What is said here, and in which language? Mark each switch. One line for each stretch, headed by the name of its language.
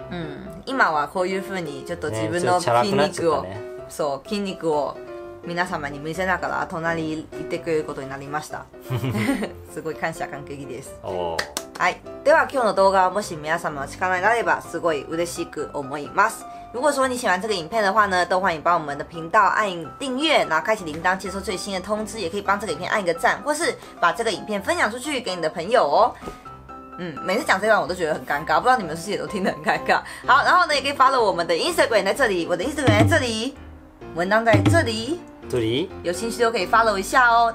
Japanese: うん、今はこういう風にちょっと自分の筋肉を、ね、そう、筋肉を皆様に見せながら隣に行ってくれることになりました。すごい感謝感激です。おお、はい、では今日の動画はもし皆様の力になればすごい嬉しく思います。
Chinese: 如果说你喜欢这个影片的话呢，都欢迎帮我们的频道按订阅，然后开启铃铛接收最新的通知，也可以帮这个影片按一个赞，或是把这个影片分享出去给你的朋友哦。嗯，每次讲这段我都觉得很尴尬，不知道你们是不是也都听得很尴尬。好，然后呢也可以 follow 我们的 Instagram， 在这里，我的 Instagram 在这里，文章在这里，这里。有兴趣都可以 follow 一下哦。